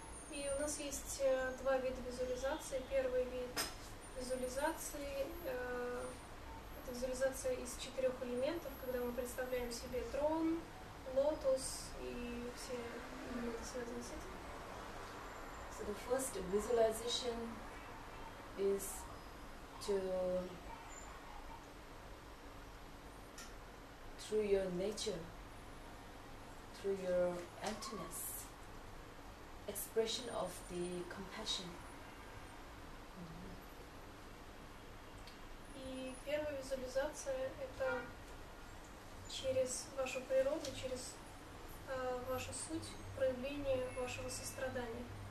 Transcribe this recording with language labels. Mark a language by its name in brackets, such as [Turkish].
[Russian] И у нас есть два вида визуализации. Первый вид визуализации это визуализация из четырех элементов, когда мы представляем себе трон, лотос и все элементы, связанные с этим. [English] So the first visualization is to through your nature, through your emptiness, expression of the compassion. [Russian] И первая визуализация это через вашу природу, через вашу суть, проявление вашего сострадания.